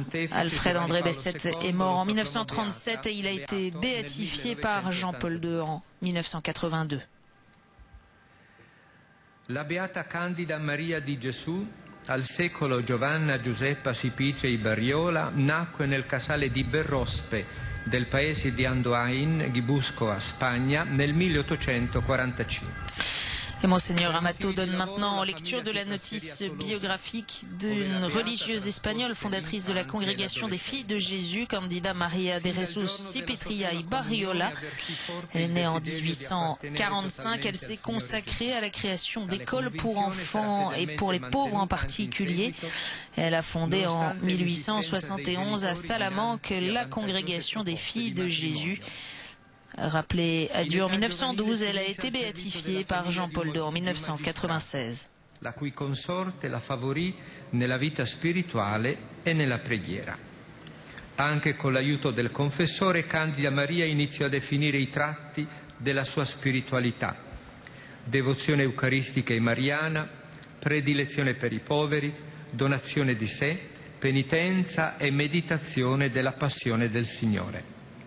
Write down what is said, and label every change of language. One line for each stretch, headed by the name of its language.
French: Alfred André Besset est mort en 1937 et il a été béatifié par Jean-Paul II en 1982.
Italian: La Beata Candida Maria di Gesù, al secolo Giovanna Giuseppa Sipice Ibarriola, nacque nel casale di Berrospe del paese di Andoain, Gibuscoa, Spagna, nel 1845.
French: Et Monseigneur Amato donne maintenant lecture de la notice biographique d'une religieuse espagnole fondatrice de la Congrégation des Filles de Jésus, Candida Maria de Jesús Sipitria y Barriola. Elle est née en 1845. Elle s'est consacrée à la création d'écoles pour enfants et pour les pauvres en particulier. Elle a fondé en 1871 à Salamanque la Congrégation des Filles de Jésus. Rappelée à Dieu en 1912, elle a été béatifiée par Jean-Paul II en 1996.
Italian: La cui consorte la favorì nella vita spirituale e nella preghiera. Anche con l'aiuto del confessore, Candida Maria iniziò a definire i tratti della sua spiritualità: devozione eucaristica e mariana, predilezione per i poveri, donazione di sé, penitenza e meditazione della passione del Signore.